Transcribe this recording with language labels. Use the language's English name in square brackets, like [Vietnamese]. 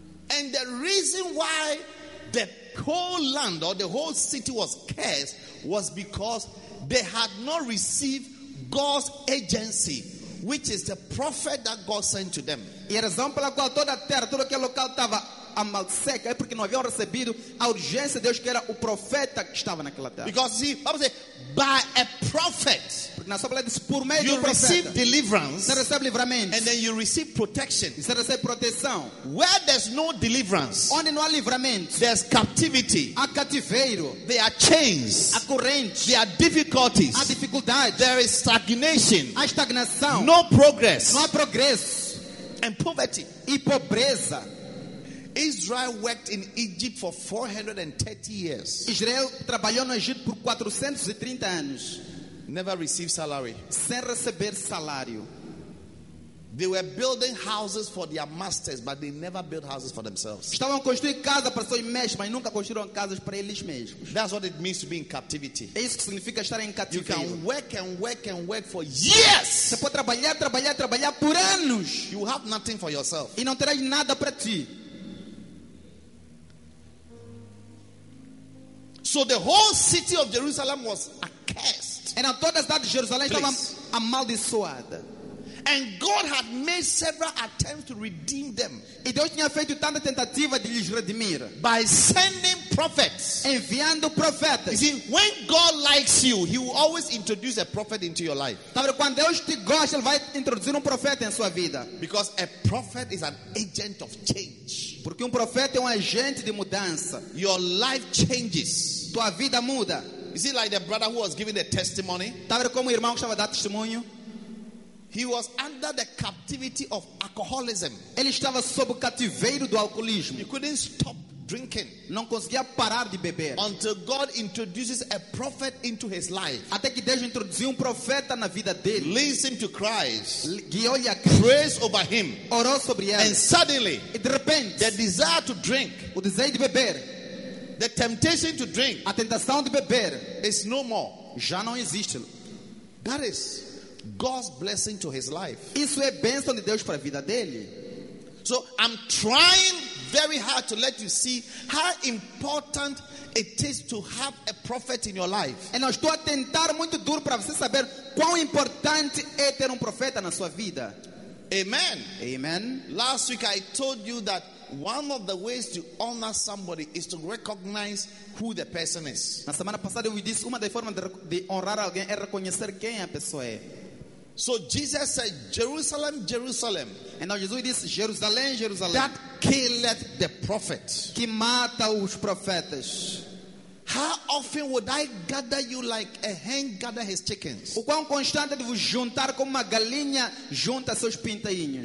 [English] And the reason why the whole land or the whole city was cursed was because they had not received God's agency, which is the prophet that God sent to them. [Portuguese] E a razão pela qual toda a terra, todo aquele local estava amaldiçoado é porque não haviam recebido a urgência de Deus, que era o profeta que estava naquela terra. [English] Because see, [Portuguese] vamos dizer, [English] by a prophet, [Portuguese] porque na sua palavra diz, por meio [English] you receive deliverance, [Portuguese] você recebe livramento, [English] and then you receive protection, [Portuguese] você recebe proteção. [English] Where there's no deliverance, [Portuguese] onde não há livramento, [English] there's captivity, [Portuguese] há cativeiro. [English] There are chains, [Portuguese] há correntes. [English] There are difficulties, [Portuguese] há dificuldades. [English] There is stagnation, [Portuguese] há estagnação. [English] No progress, [Portuguese] não há progresso. [English] And poverty, [Portuguese] e pobreza. [English] Israel worked in Egypt for 430 years. [Portuguese] Israel trabalhou no Egito por 430 anos. [English] Never received salary. [Portuguese] Sem receber salário. [English] They were building houses for their masters, but they never built houses for themselves. [Portuguese] Estavam construindo casa para seus mestres, mas nunca construíram casas para eles mesmos. [English] That's what it means to be in captivity. [Portuguese] É isso que significa estar em cativeiro. [English] You can work and work and work for years. [Portuguese] Você pode trabalhar por anos. [English] You have nothing for yourself. [Portuguese] E não terás nada para ti. [English] So the whole city of Jerusalem was accursed. [Portuguese] Então toda a cidade de Jerusalém estava amaldiçoada. [English] And God had made several attempts to redeem them. [Portuguese] E Deus tinha feito tanta tentativa de lhes redimir. [English] By sending prophets. [Portuguese] Enviando profetas. [English] You see, when God likes you, He will always introduce a prophet into your life. [Portuguese] Sabe, quando Deus te gosta, Ele vai introduzir profeta em sua vida. [English] Because a prophet is an agent of change. [Portuguese] Porque profeta é agente de mudança. [English] Your life changes. [Portuguese] Tua vida muda. [English] You see, like the brother who was giving the testimony. [Portuguese] Sabe, como irmão estava dando testemunho. [English] He was under the captivity of alcoholism. [Portuguese] Ele estava sob o cativeiro do alcoolismo. [English] He couldn't stop drinking. [Portuguese] Não conseguia parar de beber. [English] Until God introduces a prophet into his life. [Portuguese] Até que Deus introduziu profeta na vida dele. [English] Leads him to Christ. [Portuguese] Guiou-lhe a Cristo. [English] Prays over him. [Portuguese] Orou sobre ele. [English] And suddenly, [Portuguese] e de repente, [English] the desire to drink, [Portuguese] o desejo de beber, [English] the temptation to drink, [Portuguese] a tentação de beber, [English] is no more. [Portuguese] Já não existe. [English] That is God's blessing to his life. [Portuguese] Isso é bênção de Deus para a vida dele. [English] So I'm trying very hard to let you see how important it is to have a prophet in your life. [Portuguese] E nós estou a tentar muito duro para você saber quão importante é ter profeta na sua vida. [English] Amen. [Portuguese] Amen. [English] Last week I told you that one of the ways to honor somebody is to recognize who the person is. [Portuguese] Na semana passada eu disse uma das formas de honrar alguém é reconhecer quem a pessoa é. [English] So Jesus said, Jerusalem, Jerusalem. And now Jesus says, Jerusalem, Jerusalem. That killeth the prophet. [Portuguese] Que mata os profetas. [English] How often would I gather you like a hen gather his chickens? [Portuguese] O quão constante de vos juntar como uma galinha junta seus pintainhos.